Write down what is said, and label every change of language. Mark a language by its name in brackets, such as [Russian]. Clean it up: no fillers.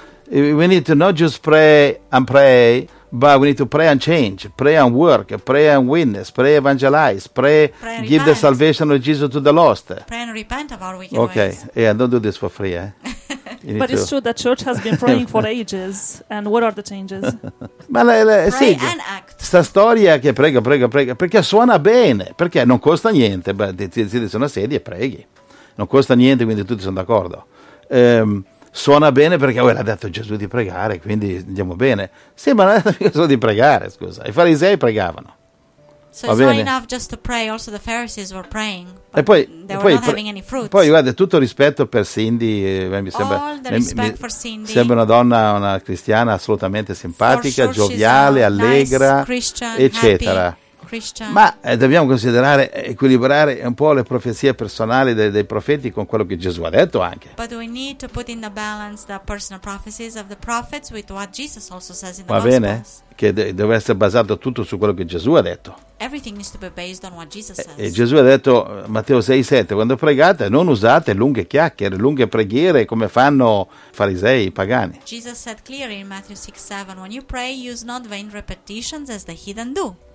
[English] We need to not just pray and pray, but we need to pray and change, pray and work, pray and witness, pray evangelize, pray and give The salvation of Jesus to the lost. Pray and repent of our wicked ways. Okay, yeah, don't do this for free, eh? But it's true, the church has been praying for ages, and what are the changes? [Italian] Ma [English] pray and act. [Italian] Sta storia che prega, perché suona bene, perché non costa niente, siedi su una sedia e preghi, non costa niente, quindi tutti sono d'accordo. Suona bene perché l'ha detto Gesù di pregare, quindi andiamo bene. Sì, ma non è solo di pregare, scusa, i farisei pregavano. [English] So it's not enough just to pray, also the Pharisees were praying, but they were not having any fruits. [Italian] Poi guarda, tutto rispetto per Cindy, sembra una donna, una cristiana assolutamente simpatica, [English] sure, [Italian] gioviale, allegra, [English] nice Christian, [Italian] eccetera. [English] Happy. Christian. [Italian] Ma dobbiamo considerare, equilibrare un po' le profezie personali dei profeti con quello che Gesù ha detto anche. [English] But we need to put in the balance the personal prophecies of the prophets with what Jesus also says in the Gospels. [Italian] Va bene? Che deve essere basato tutto su quello che Gesù ha detto. [English] Everything needs to be based on what Jesus says. [Italian] E Gesù ha detto, Matteo 6:7, quando pregate non usate lunghe chiacchiere, lunghe preghiere come fanno i farisei, i pagani. [English] Jesus said clearly in Matthew 6:7, when you pray, use not vain repetitions as the heathen do.